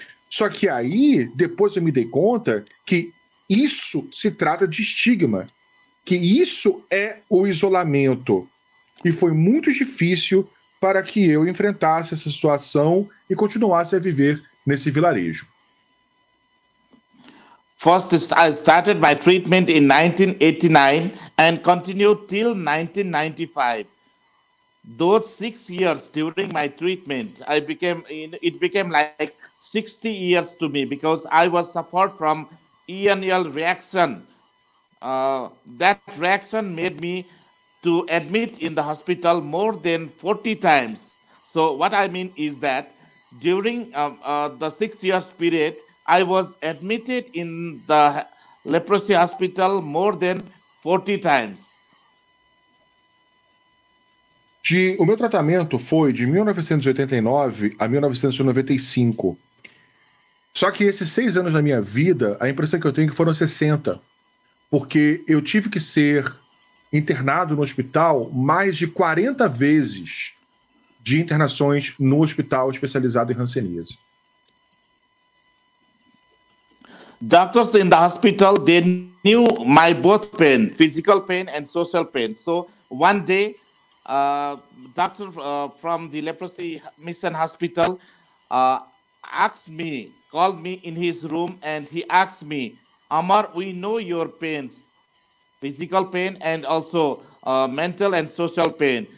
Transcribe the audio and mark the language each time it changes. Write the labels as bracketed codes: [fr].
[pt] Só que aí, depois eu me dei conta que isso se trata de estigma, que isso é o isolamento. E foi muito difícil para que eu enfrentasse essa situação e continuasse a viver nesse vilarejo. [en] First, I started my treatment in 1989 and continued till 1995. Those 6 years during my treatment, it became like 60 years to me because I was suffered from ENL reaction. That reaction made me to admit in the hospital more than 40 times. So what I mean is that during the 6 years period, I was admitted in the leprosy hospital more than 40 times. [pt] O meu tratamento foi de 1989 a 1995. Só que esses 6 anos da minha vida, a impressão que eu tenho é que foram 60. Porque eu tive que ser internado no hospital mais de 40 vezes de internações no hospital especializado em hanseníase. [en] Doctors in the hospital, they knew my both pain, physical pain and social pain. So one day, doctor from the leprosy mission hospital called me in his room and he asked me, Amar, we know your pains, physical pain and also mental and social pain.